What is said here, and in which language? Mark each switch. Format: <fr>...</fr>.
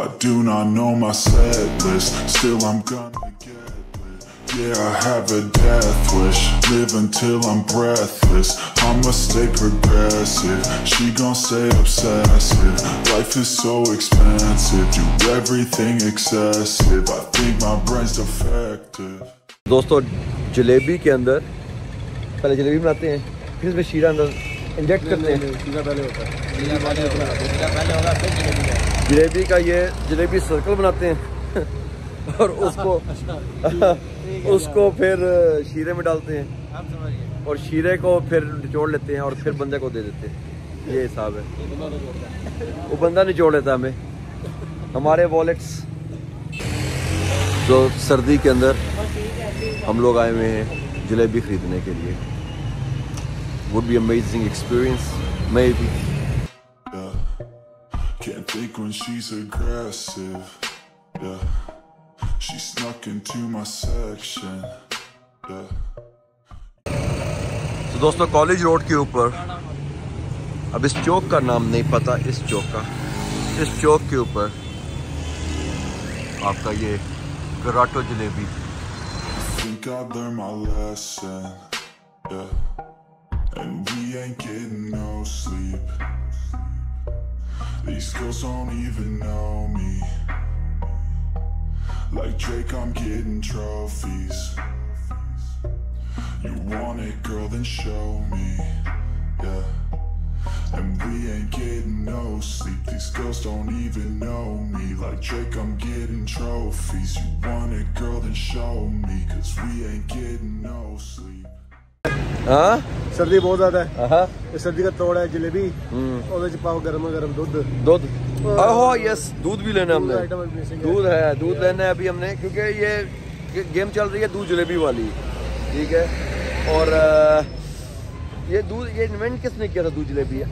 <en>I do not know my set list, still I'm gonna get. Yeah, I have a death wish, live until I'm breathless. I'ma stay progressive, she gon' stay obsessive. Life is so expensive, do everything excessive. I think my brain's defective.</en> <hi>दोस्तों जलेबी के अंदर पहले जलेबी बनाते हैं, फिर इसमें शीरा अंदर इंजेक्ट करते हैं। शीरा पहले होता है। जलेबी का ये जलेबी सर्कल बनाते हैं और उसको उसको फिर शीरे में डालते हैं और शीरे को फिर निचोड़ लेते हैं और फिर बंदे को दे देते हैं। ये हिसाब है, वो बंदा निचोड़ लेता हमें हमारे वॉलेट्स। तो सर्दी के अंदर हम लोग आए हुए हैं जलेबी खरीदने के लिए।</hi> <en>Would be amazing experience maybe. Can't think when she's aggressive. Yeah. She snuck into my section.</en> <hi>तो दोस्तों कॉलेज रोड के ऊपर, अब इस चौक का नाम नहीं पता, इस चौक का, इस चौक के ऊपर आपका ये grotto jalebi.</hi> <en>Think I learned my lesson. Yeah. And we ain't getting no sleep. These girls don't even know me. Like Drake, I'm getting trophies. You want it, girl, then show me. Yeah. And we ain't getting no sleep. These girls don't even know me. Like Drake, I'm getting trophies. You want it, girl, then show me. Cause we ain't getting no sleep.</en> <hi>हाँ सर्दी बहुत ज्यादा है। हाँ सर्दी का तोड़ है जलेबी, उधर जी पाव गरम गरम दूध। दूध</hi> <en>oh yes,</en> <hi>दूध भी लेना हमने। दूध है, दूध लेना है अभी हमने, क्योंकि ये गेम चल रही है दूध जलेबी वाली, ठीक है। और ये दूध, ये इन्वेंट किसने किया था दूध जलेबी?</hi>